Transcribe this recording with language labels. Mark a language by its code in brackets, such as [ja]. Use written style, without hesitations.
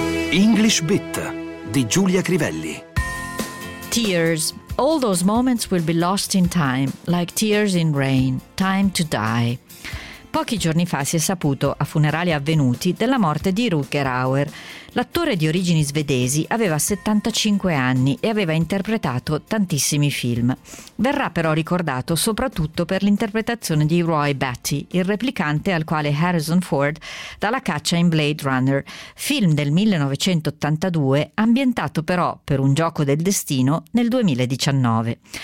[it] English Bit di Giulia Crivelli. [en] Tears. All those moments will be lost in time, like tears in rain, time to die. [it] Pochi giorni fa si è saputo, a funerali avvenuti, della morte di Rutger Hauer. L'attore di origini svedesi aveva 75 anni e aveva interpretato tantissimi film. Verrà però ricordato soprattutto per l'interpretazione di Roy Batty, il replicante al quale Harrison Ford dà la caccia in Blade Runner, film del 1982, ambientato però, per un gioco del destino, nel 2019.